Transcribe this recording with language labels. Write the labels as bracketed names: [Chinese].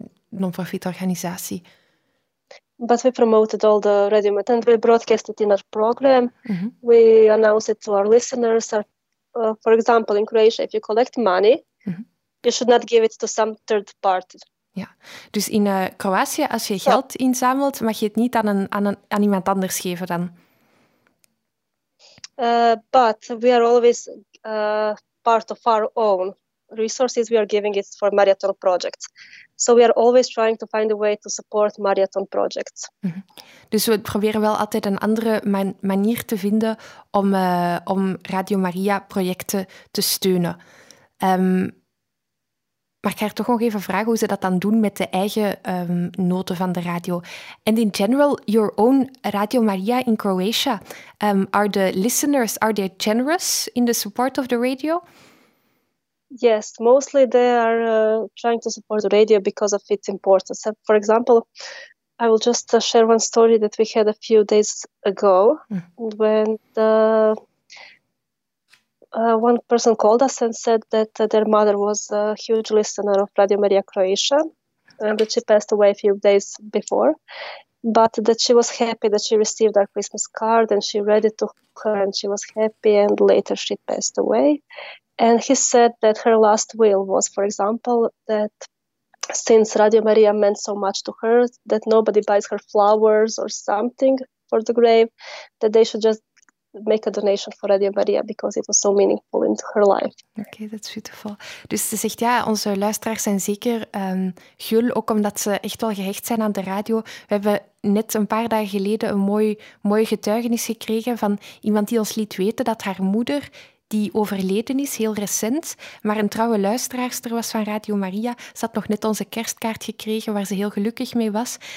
[Dutch] non-profit organisatie. [English] But we promoted all the radio and we broadcast it in our program. Mm-hmm. We announced it to our listeners. For example, in Croatia, if you collect money, mm-hmm. you should not give it to some third party. [Dutch] Ja, dus in Kroatië, als je geld inzamelt, mag je het niet aan iemand anders geven dan? [English] But we are always part of our own resources. We are giving it for Marathon Project. So we are always trying to find a way to support Marathon Project. Mm-hmm. [Dutch] Dus we proberen wel altijd een andere manier te vinden om Radio Maria projecten te steunen. Maar ik ga er toch nog even vragen hoe ze dat dan doen met de eigen noten van de radio. [English] And in general, your own Radio Maria in Croatia, are the listeners, are they generous in the support of the radio? Yes, mostly they are trying to support the radio because of its importance. For example, I will just share one story that we had a few days ago when the... one person called us and said that their mother was a huge listener of Radio Maria Croatia and that she passed away a few days before, but that she was happy that she received our Christmas card and she read it to her and she was happy, and later she passed away. And he said that her last will was, for example, that since Radio Maria meant so much to her, that nobody buys her flowers or something for the grave, that they should just make a donation for Radio Maria because it was so meaningful in her life. Oké, okay, that's beautiful. [Dutch] Dus ze zegt, ja, onze luisteraars zijn zeker gul, ook omdat ze echt wel gehecht zijn aan de radio. We hebben net een paar dagen geleden een mooi getuigenis gekregen van iemand die ons liet weten dat haar moeder, die overleden is, heel recent, maar een trouwe luisteraarster was van Radio Maria, ze had nog net onze kerstkaart gekregen waar ze heel gelukkig mee was.